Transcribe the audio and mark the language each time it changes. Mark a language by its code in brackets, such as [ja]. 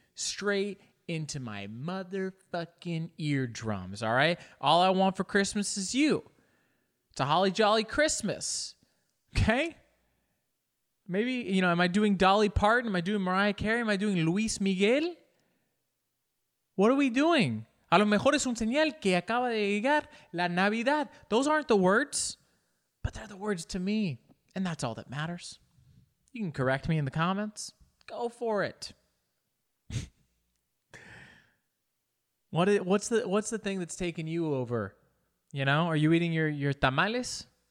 [en] Straight into my motherfucking eardrums, all right? All I want for Christmas is you. It's a holly jolly Christmas, okay? Maybe, you know, am I doing Dolly Parton? Am I doing Mariah Carey? Am I doing Luis Miguel? What are we doing? [es] A lo mejor es un señal que acaba de llegar la Navidad. [en] Those aren't the words, but they're the words to me. And that's all that matters. You can correct me in the comments. Go for it. What's the thing that's taking you over? You know, are you eating your tamales?